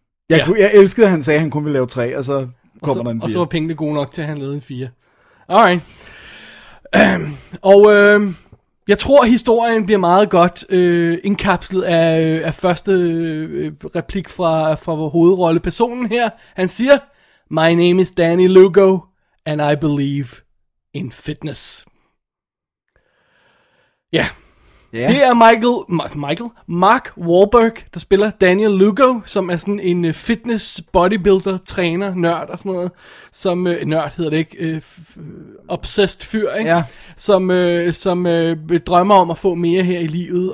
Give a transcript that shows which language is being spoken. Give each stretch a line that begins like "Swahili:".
Danish: Jeg elskede, at han sagde, at han kun ville lave 3, og så kommer der en 4. Og så var pengene gode nok til, at han lavede en 4. Alright. Jeg tror, historien bliver meget godt indkapslet af første replik fra vores hovedrollepersonen her.
English: Han siger, "My name is Danny Lugo, and I believe in fitness."
Danish: Ja.
English: Yeah.
Danish: Det er Mark Wahlberg, der spiller Daniel Lugo, som er sådan en fitness bodybuilder, træner, nørd og sådan noget. Som, nørd hedder det ikke, obsessed fyr, ikke?
English: Yeah.
Danish: Som drømmer om at få mere her i livet.